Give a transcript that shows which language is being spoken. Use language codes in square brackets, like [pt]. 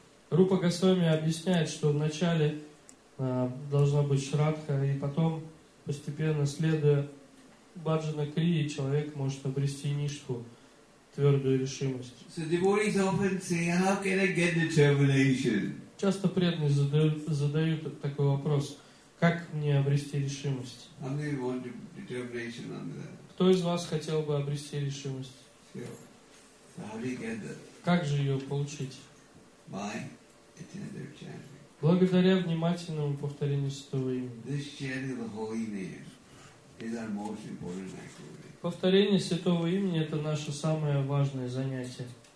[ru] Rupa Goswami объясняет, что вначале должна быть Шрадха, и потом, постепенно следуя Bhajana Kriya, человек может обрести Нишху. Твердую решимость. [en] So devotees often say, how can I get determination? [ru] Часто преданные задают такой вопрос: как мне обрести решимость? [en] How many want determination on that? [ru] Кто из вас хотел бы обрести решимость? [en] So how do you get that? [ru] Как же ее получить? [en] By attentive chanting. [ru] Благодаря внимательному повторению святого имени. [en] This chanting of the holy name is our most important activity. [ru] Повторение святого имени – это наше самое важное занятие.